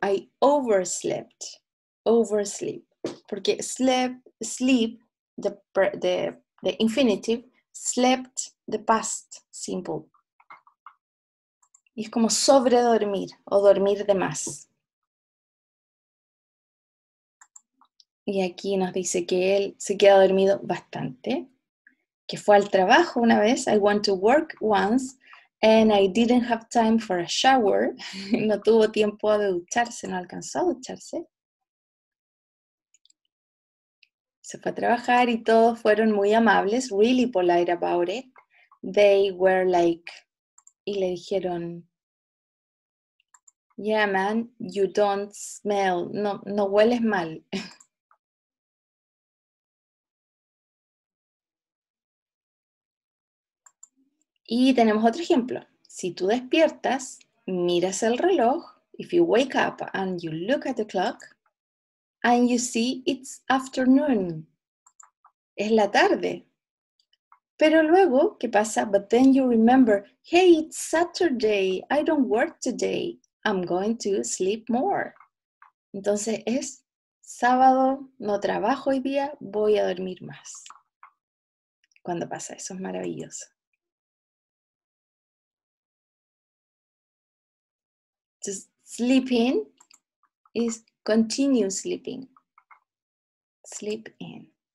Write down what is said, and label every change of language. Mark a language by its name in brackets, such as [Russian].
[English] I overslept. Oversleep. [Spanish] Porque sleep, [English] the infinitive, slept, the past simple. [Spanish] Y es como sobre dormir o dormir de más. Y aquí nos dice que él se queda dormido bastante. Que fue al trabajo una vez. [English] I went to work once. And I didn't have time for a shower. [Spanish] No tuvo tiempo de ducharse, no alcanzó a ducharse. Se fue a trabajar y todos fueron muy amables, [English] really polite about it. They were like, [Spanish] y le dijeron, yeah man, you don't smell, no hueles mal. Y tenemos otro ejemplo. Si tú despiertas, miras el reloj, [English] if you wake up and you look at the clock, and you see it's afternoon. [Spanish] es la tarde. Pero luego, ¿qué pasa? [English] But then you remember, hey, it's Saturday, I don't work today, I'm going to sleep more. [Spanish] Entonces es sábado, no trabajo hoy día, voy a dormir más. ¿Cuándo pasa? Eso es maravilloso. [English] To sleep in is continue sleeping. Sleep in.